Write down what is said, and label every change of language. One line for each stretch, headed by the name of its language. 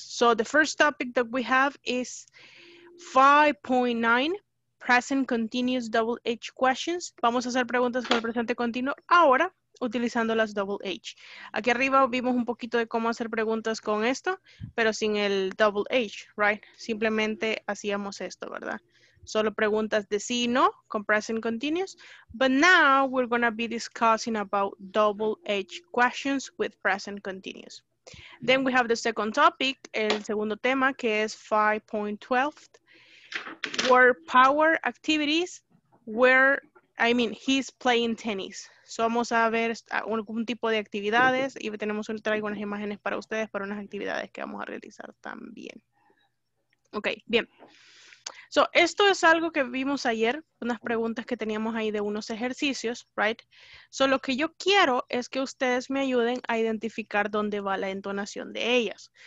English: So the first topic that we have is 5.9. Present Continuous Double H Questions.
Spanish: Vamos a hacer preguntas con el presente continuo ahora utilizando las Double H. Aquí arriba vimos un poquito de cómo hacer preguntas con esto, pero sin el Double H, right? Simplemente hacíamos esto, ¿verdad? Solo preguntas de sí y no con Present Continuous.
English: But now we're going to be discussing about Double H Questions with Present Continuous. Then we have the second topic,
Spanish: el segundo tema, que es
English: 5.12. Word power activities where, I mean, he's playing tennis.
Spanish: So vamos a ver algún tipo de actividades y tenemos un traigo unas imágenes para ustedes para unas actividades que vamos a realizar también. Ok, bien. So, esto es algo que vimos ayer, unas preguntas que teníamos ahí de unos ejercicios, right? So, lo que yo quiero es que ustedes me ayuden a identificar dónde va la entonación de ellas.